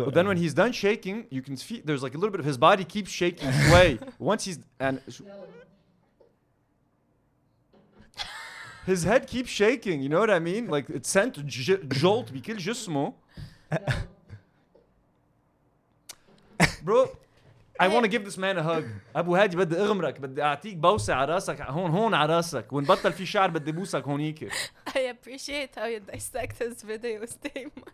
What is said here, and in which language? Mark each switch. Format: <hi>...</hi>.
<en>But then when he's done shaking, you can see there's like a little bit of his body keeps shaking sway. Once he's and his head keeps shaking. You know what I mean? Like it sent jolt</en> <ar>بكل جسمه.</ar> <en>Bro. I want to give this man a hug.</en> <ar>Abu Hadi, بدي اغمرك بدي اعطيك بوسه على راسك هون هون على راسك ونبطل في شعر بدي بوسك هونيك.</ar> <en>I appreciate how you dissect this video statement.</en>